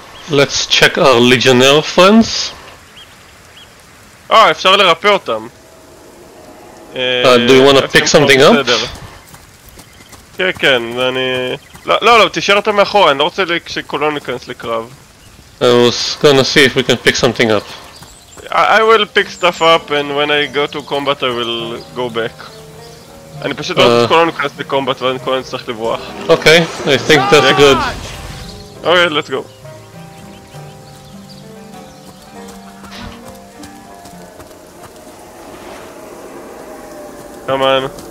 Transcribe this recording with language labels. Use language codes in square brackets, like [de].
[en] Let's check our legionnaire friends. [he] Oh, אפשר לרפא אותם. [en] Do you want to pick something up? [he] כן, אני... לא, תשאר אתה מאחורה, אני לא רוצה שכולנו ניכנס לקרב. [en] I was gonna see if we can pick something up. I will pick stuff up and when I go to combat I will go back. [he] אני פשוט לא רוצה שכולנו ניכנס לקומבט ואני כולנו צריך לברוח. [en] אוקיי, I think that's good. אוקיי, let's go. Come on.